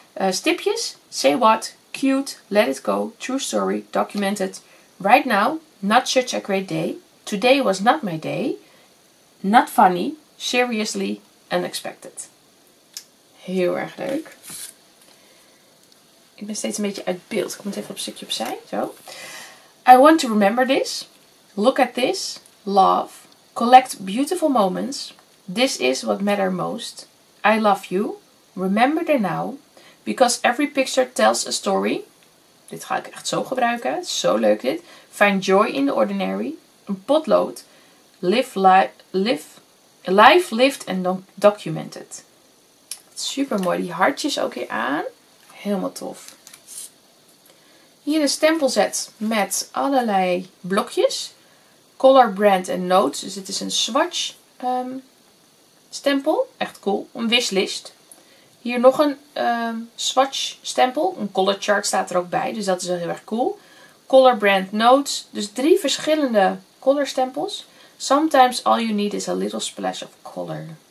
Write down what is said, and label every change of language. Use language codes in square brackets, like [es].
[en] Stipjes, say what, cute, let it go, true story, documented, right now, not such a great day, today was not my day, not funny, seriously, unexpected. [nl] Heel erg leuk. Ik ben steeds een beetje uit beeld. Ik kom het even op een stukje opzij. [en] Zo. I want to remember this. Look at this. Love. Collect beautiful moments. This is what matters most. I love you. Remember them now. Because every picture tells a story. [nl] Dit ga ik echt zo gebruiken. Zo leuk dit. [en] Find joy in the ordinary. [nl] Een potlood. [en] Live, lived and documented. Super mooi. [nl] Die hartjes ook hier aan. Helemaal tof. Hier een stempelset met allerlei blokjes. Color, brand en notes. Dus dit is een swatch stempel. Echt cool. Een wishlist. Hier nog een swatch stempel. Een color chart staat er ook bij. Dus dat is wel heel erg cool. Color, brand, notes. Dus drie verschillende color stempels. [en] Sometimes all you need is a little splash of color.